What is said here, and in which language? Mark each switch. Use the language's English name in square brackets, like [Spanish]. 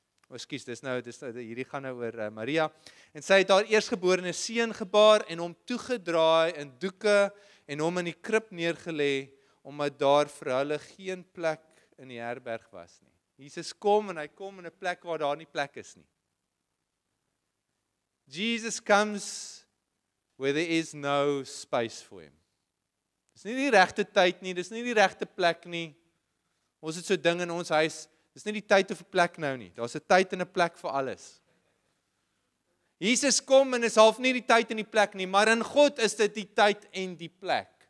[Afrikaans] Excuse, hierdie gaan nou oor Maria. En sy het haar eerstgeborene seun gebaar, en hom toegedraai in doeke, en hom in die krib neergelê, omdat daar vir hulle geen plek in die herberg was nie. Jesus kom en hy kom in 'n plek waar daar nie plek is nie. [English] Jesus comes where there is no space for him. [Afrikaans] Dis nie die regte tyd nie, dis nie die regte plek nie. Ons het so ding in ons huis, dis nie die tyd of 'n plek nou nie. Daar's 'n tyd en 'n plek vir alles. Jesus kom en is half nie die tyd en die plek nie, maar in God is dit die tyd en die plek.